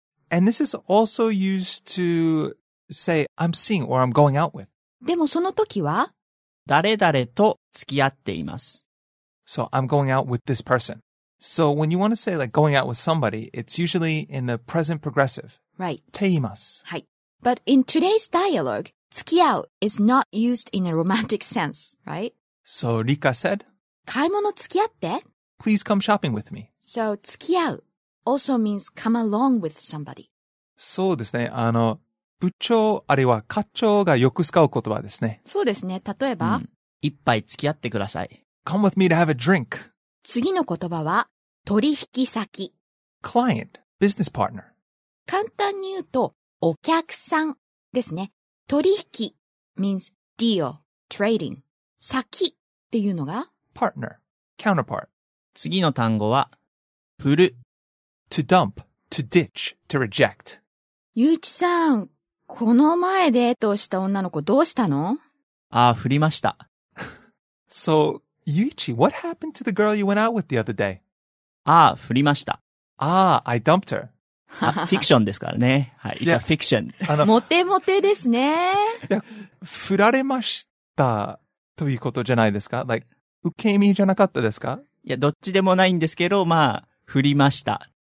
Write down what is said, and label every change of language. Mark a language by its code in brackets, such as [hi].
[en] And this is also used to say, I'm seeing or I'm going out with. [ja] でもその時は誰々と付き合っています。 [en] So I'm going out with this person. So when you want to say like going out with somebody, it's usually in the present progressive. Right. [ja] ています。はい。 [en] But in today's dialogue, 付き合う is not used in a romantic sense, right? So Rika said, [ja] 買い物付き合って。 [en] Please come shopping with me. So 付き合う also means come along with somebody. [ja] そうですね。あの、部長あるいは課長がよく使う言葉ですね。そうですね。例えば、一杯付き合ってください。 [en] Come with me to have a drink. [ja] 次の言葉は、取引先。 [en] Client, business partner. [ja] 簡単に言うと、お客さんですね。 [en] 取引 means deal, trading. [ja] 先っていうのが、 [en] partner, counterpart. [ja] 次の単語は、振る。 [en] To dump, to ditch, to reject. [ja] ゆういちさん、この前デートをした女の子どうしたの? ああ、振りました。 [en] So, Yuichi, what happened to the girl you went out with the other day? [ja] ああ、振りました。 [en] ああ、I dumped her. [ja] あ、フィクションですからね。 [en] はい、it's a fiction. [ja] モテモテですね。いや、振られましたということじゃないですか ?Like, 受け身じゃなかったですか? いや、どっちでもないんですけど、まあ、振りました。